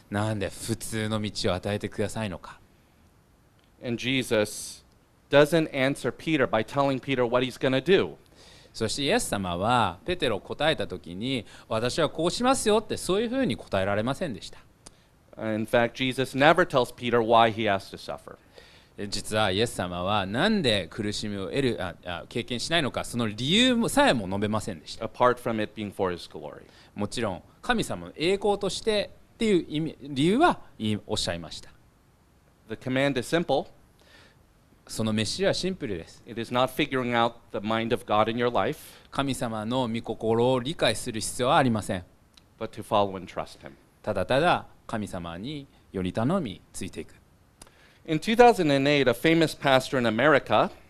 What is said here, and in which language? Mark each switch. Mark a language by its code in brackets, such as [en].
[ja] なんで普通の道を与えてくださいのか? [en] And Jesus doesn't answer Peter by telling Peter what he's going to do. [ja] そしてイエス様はペテロを答えた時に私はこうしますよってそういうふうに答えられませんでした。 [en] In fact, Jesus never tells Peter why he has to suffer. [ja] 実はイエス様はなんで苦しみを得る経験しないのかその理由もさえも述べませんでした。 [en] Apart from it being for his glory. [ja] もちろん神様の栄光としてっていう意味理由はおっしゃいました。 [en] The command is simple. [ja] その召しはシンプルです。 [en] It is not figuring out the mind of God in your life. [ja] 神様の御心を理解する必要はありません。 [en] but to follow and trust him. [ja] ただただ神様により頼みついていく。 [en] In 2008, a famous pastor in America,